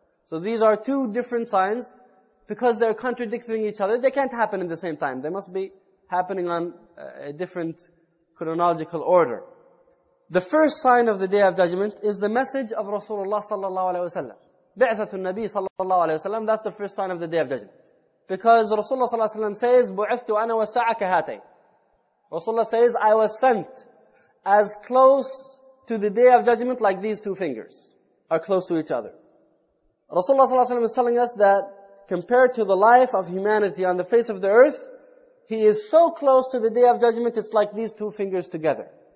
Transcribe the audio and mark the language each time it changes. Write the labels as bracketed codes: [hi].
[en] So these are two different signs. Because they're contradicting each other, they can't happen at the same time. They must be happening on a different chronological order. The first sign of the Day of Judgment is the message of Rasulullah sallallahu alaihi wasallam. [ar] بعثة النبي صلى الله عليه وسلم, [en] that's the first sign of the Day of Judgment. Because Rasulullah [ar] صلى الله عليه وسلم [en] says, [ar] بعثت وأنا والساعة كهاتين. [en] Rasulullah says, I was sent as close to the Day of Judgment like these two fingers are close to each other. Rasulullah [ar] صلى الله عليه وسلم [en] is telling us that compared to the life of humanity on the face of the earth, he is so close to the Day of Judgment, it's like these two fingers together.